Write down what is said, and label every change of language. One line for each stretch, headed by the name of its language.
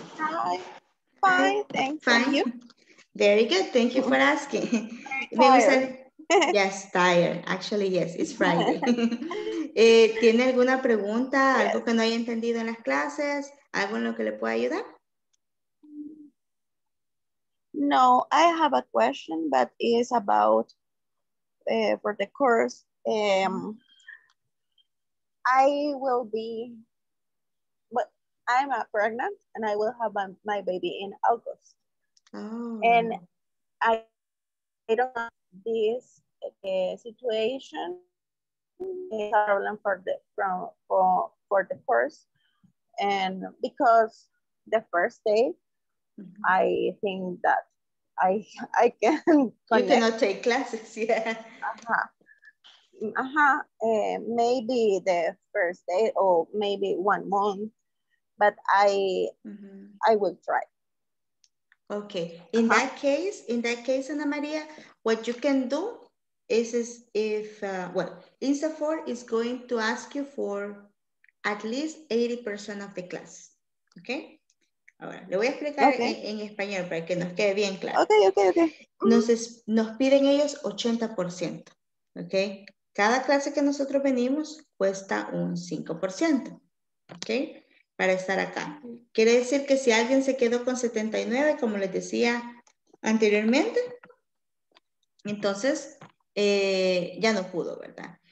English: Hi. Fine. Thanks. Fine. You? Very good. Thank you for asking. Very tired. Yes, tired. Actually, yes, it's Friday.
Spanish: ¿tiene alguna pregunta, algo que no haya entendido en las clases, algo en lo que le pueda ayudar?
English: No, I have a question, but it is about for the course. I will be, but I'm pregnant and I will have my baby in August. Oh. And I don't know this situation, a problem for the course. And because the first day, mm-hmm. I think that I can. You cannot take classes, yeah. Maybe the first day or maybe 1 month, but I mm-hmm. I will try. Okay. In uh-huh. that case, Ana Maria, what you can do is if Insafor is going to ask you for at least 80% of the class.
Spanish: Okay. Ahora, le voy a explicar okay. en español para que nos quede bien claro. Ok, ok, ok. Nos piden ellos 80%, ok. Cada clase que nosotros venimos cuesta un 5%, ok, para estar acá. Quiere decir que si alguien se quedó con 79, como les decía anteriormente, entonces ya no pudo, ¿verdad?